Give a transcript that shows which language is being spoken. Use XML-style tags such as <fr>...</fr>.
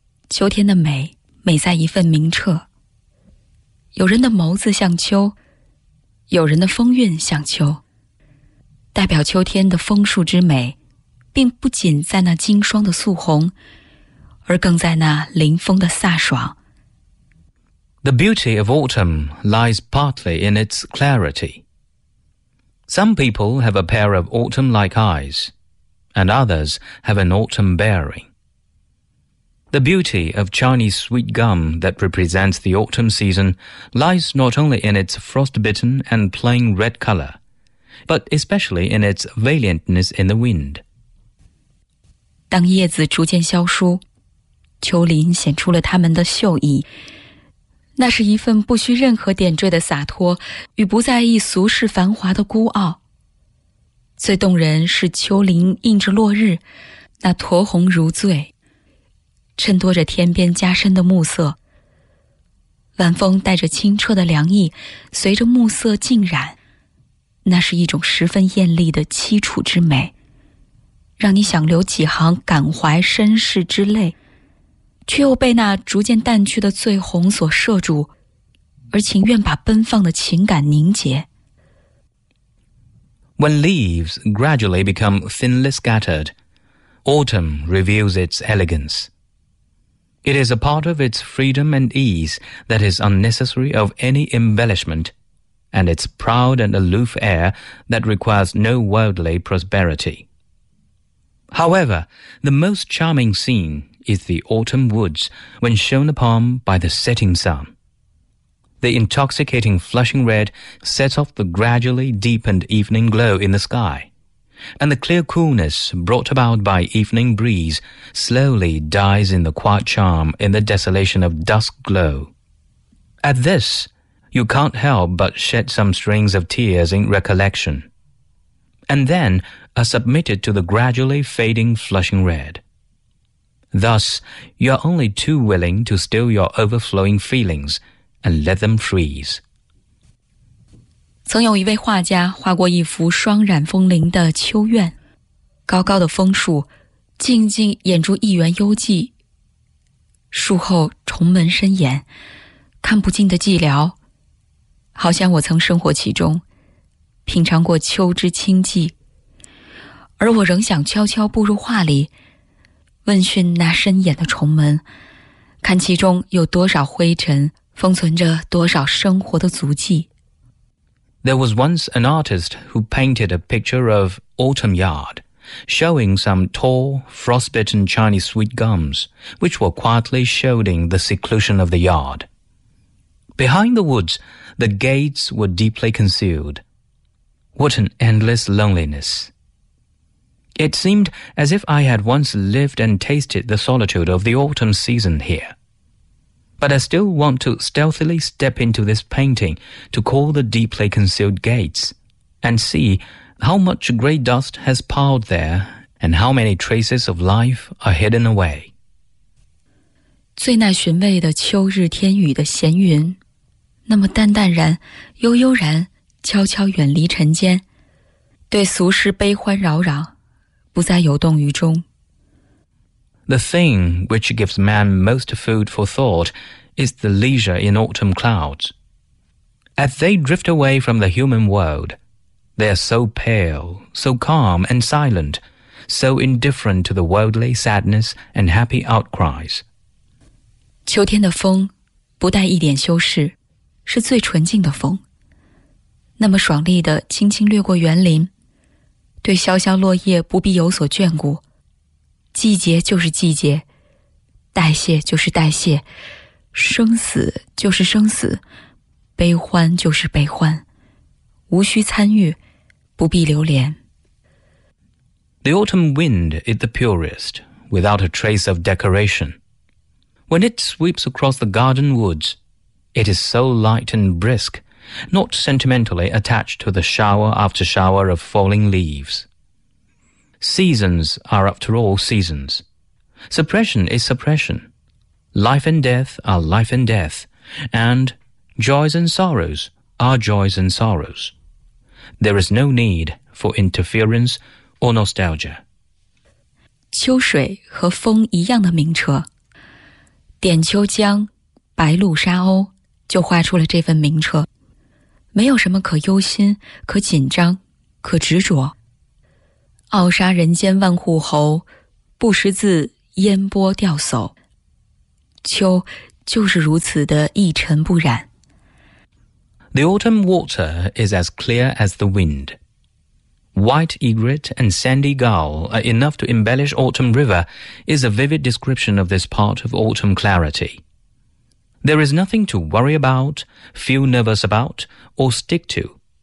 <zh>秋天的美，美在一份明澈。有人的眸子像秋，有人的风韵像秋。代表秋天的枫树之美，并不仅在那金霜的素红，而更在那临风的飒爽。</zh> <en>The beauty of autumn lies partly in its clarity. Some people have a pair of autumn-like eyes. And others have an autumn bearing. The beauty of Chinese sweet gum that represents the autumn season lies not only in its frost-bitten and plain red color, but especially in its valiantness in the wind.</en> <zh>当叶子逐渐消疏，秋林显出了它们的秀意。那是一份不需任何点缀的洒脱，与不在意俗世繁华的孤傲。最动人是秋林映着落日，那酡红如醉，衬托着天边加深的暮色，晚风带着清澈的凉意，随着暮色浸染，那是一种十分艳丽的凄楚之美，让你想流几行感怀身世之泪，却又被那逐渐淡去的醉红所摄住，而情愿把奔放的情感凝结。</zh> <en>When leaves gradually become thinly scattered, autumn reveals its elegance. It is a part of its freedom and ease that is unnecessary of any embellishment, and its proud and aloof air that requires no worldly prosperity. However, the most charming scene is the autumn woods when shone upon by the setting sun. The intoxicating flushing red sets off the gradually deepened evening glow in the sky, and the clear coolness brought about by evening breeze slowly dies in the quiet charm in the desolation of dusk glow. At this, you can't help but shed some strings of tears in recollection, and then are submitted to the gradually fading flushing red. Thus, you are only too willing to still your overflowing feelings,And let them freeze.</en> <zh>曾有一位画家画过一幅霜染枫林的秋院，高高的枫树静静掩住一园幽寂，树后重门深掩，看不尽的寂寥，好像我曾生活其中，品尝过秋之清寂，而我仍想悄悄步入画里，问讯那深掩的重门，看其中有多少灰尘封存着多少生活的足迹。</zh> <en>There was once an artist who painted a picture of Autumn Yard, showing some tall, frostbitten Chinese sweet gums, which were quietly shielding the seclusion of the yard. Behind the woods, the gates were deeply concealed. What an endless loneliness! It seemed as if I had once lived and tasted the solitude of the autumn season here. But I still want to stealthily step into this painting to call the deeply concealed gates and see how much gray dust has piled there and how many traces of life are hidden away.</en> <zh>最耐寻味的秋日天宇的闲云，那么淡淡然，悠悠然，悄悄远离尘间，对俗世悲欢扰扰，不再游动于中。</zh> <en>The thing which gives man most food for thought is the leisure in autumn clouds. As they drift away from the human world, they are so pale, so calm and silent, so indifferent to the worldly sadness and happy outcries.</en> <zh>秋天的风不带一点修饰，是最纯净的风。那么爽利地轻轻掠过园林，对萧萧落叶不必有所眷顾。季节就是季节，代谢就是代谢，生死就是生死，悲欢就是悲欢，无需参与，不必留恋。</zh> <en>The autumn wind is the purest, without a trace of decoration. When it sweeps across the garden woods, it is so light and brisk, not sentimentally attached to the shower after shower of falling leaves. Seasons are after all seasons. Suppression is suppression. Life and death are life and death. And joys and sorrows are joys and sorrows. There is no need for interference or nostalgia.</en> <zh>秋水和风一样的名车。点秋江，白鹭沙鸥就画出了这份名车。没有什么可忧心，可紧张，可执着。傲杀人间万户侯，不识字烟波掉叟。秋就是如此的一尘不染。</zh> <en>The autumn water is as clear as the wind. White egret and sandy gull are enough to embellish autumn river is a vivid description of this part of autumn clarity. There is nothing to worry about, feel nervous about, or stick to.</en>